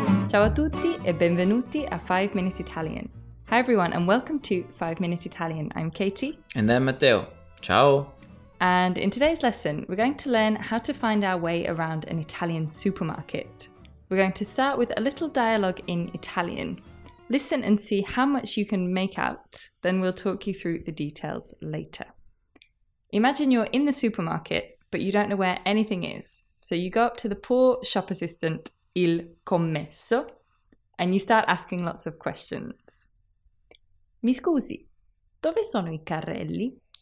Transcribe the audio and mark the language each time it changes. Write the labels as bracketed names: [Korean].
[Italian] Ciao a tutti e benvenuti a 5 Minute Italian. [English] Hi everyone and welcome to 5 Minute Italian. I'm Katie. And I'm Matteo. Ciao! And in today's lesson, we're going to learn how to find our way around an Italian supermarket. We're going to start with a little dialogue in Italian. Listen and see how much you can make out, then we'll talk you through the details later. Imagine you're in the supermarket, but you don't know where anything is. So you go up to the poor shop assistant, il commesso, and you start asking lots of questions. [Italian] Mi scusi, dove sono I carrelli?